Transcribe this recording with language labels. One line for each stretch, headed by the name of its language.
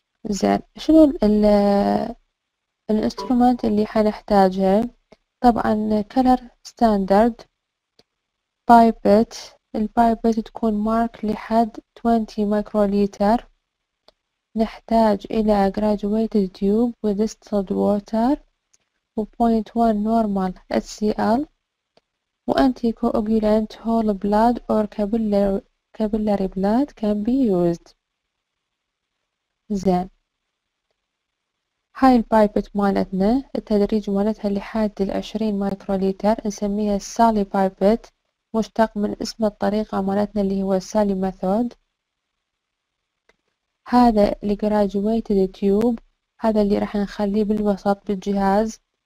Arabic: زين شنو الانسترومنت اللي حنحتاجها؟ طبعا كلر ستاندرد، بايبت، البايبت تكون مارك لحد 20 مايكروليتر. نحتاج إلى
English: graduated tube with distilled water و 0.1 normal HCl و anticoagulant whole blood or capillary blood can be used.
Arabic: زين هاي البايبت مالتنا التدريج مالتها لحد 20 مايكروليتر نسميها السالي بايبت، مشتق من اسم الطريقة مالتنا اللي هو السالي ميثود. هذا اللي graduated tube، هذا اللي راح نخليه بالوسط بالجهاز.